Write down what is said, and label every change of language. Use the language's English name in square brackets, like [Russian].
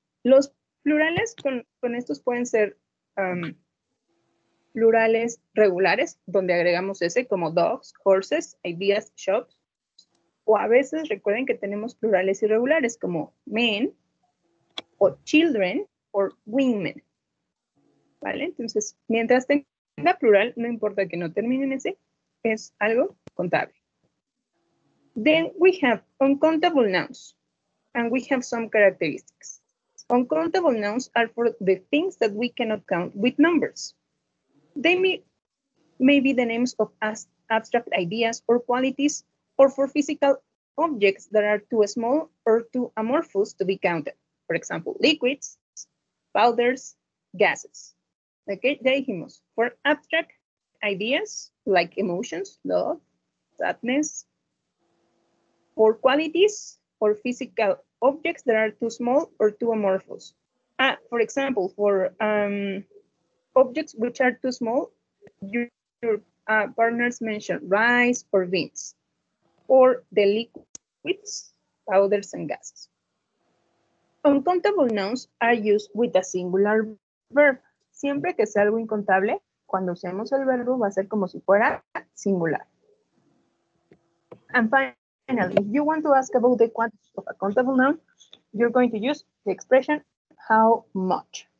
[Spanish] Los plurales con estos pueden ser plurales regulares, donde agregamos ese, como dogs, horses, ideas, shops. O a veces recuerden que tenemos plurales irregulares, como men, o children, o women. ¿Vale? Entonces, mientras tenga plural, no importa que no termine en ese, es algo contable. [English] Then we have uncountable nouns, and we have some characteristics. Uncountable nouns are for the things that we cannot count with numbers. They may be the names of abstract ideas or qualities, or for physical objects that are too small or too amorphous to be counted. For example, liquids, powders, gases. Okay, [Spanish] ya dijimos, [English] for abstract ideas like emotions, love, sadness, for qualities or physical objects that are too small or too amorphous. For example, for objects which are too small, your partners mentioned rice or beans, or the liquids, powders, and gases. Uncountable nouns are used with a singular verb. [Spanish] Siempre que sea algo incontable, cuando usemos el verbo, va a ser como si fuera singular. [English] And finally, if you want to ask about the quantity of a countable noun, you're going to use the expression how much.